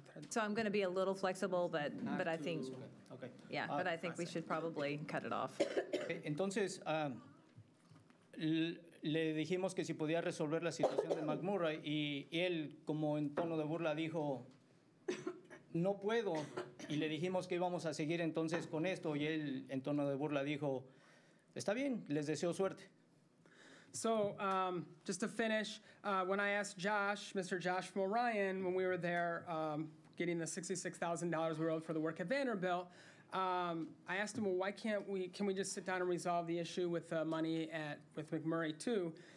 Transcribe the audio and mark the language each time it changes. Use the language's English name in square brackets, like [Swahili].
[English] So I'm going to be a little flexible, but I think, but I think we should probably cut it off. [Spanish] Entonces, le dijimos que si podía resolver la situación de McMurray, y él, como en tono de burla, dijo, no puedo. Y le dijimos que íbamos a seguir entonces con esto, y él, en tono de burla, dijo, está bien, les deseo suerte. [English] So, just to finish, when I asked Josh, Mr. Josh from Orion, when we were there getting the $66,000 we owed for the work at Vanderbilt, I asked him, well, why can't we, can we just sit down and resolve the issue with the money at, with McMurray too?